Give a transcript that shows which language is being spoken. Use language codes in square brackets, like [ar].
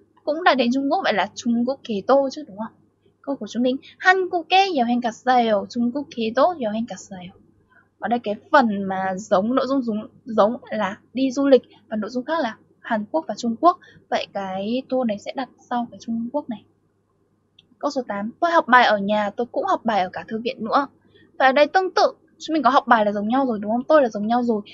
[vi] Cũng đã đến Trung Quốc, vậy là [ko] 중국에 또 [vi] chứ đúng không? Câu của chúng mình, [ko] 한국에 여행 갔어요, 중국에도 여행 갔어요. [vi] Ở đây cái phần mà giống, nội dung giống là đi du lịch, và nội dung khác là Hàn Quốc và Trung Quốc. Vậy cái tour này sẽ đặt sau cái Trung Quốc này. Câu số 8, tôi học bài ở nhà, tôi cũng học bài ở cả thư viện nữa. Và ở đây tương tự, chúng mình có học bài là giống nhau rồi đúng không? Tôi là giống nhau rồi.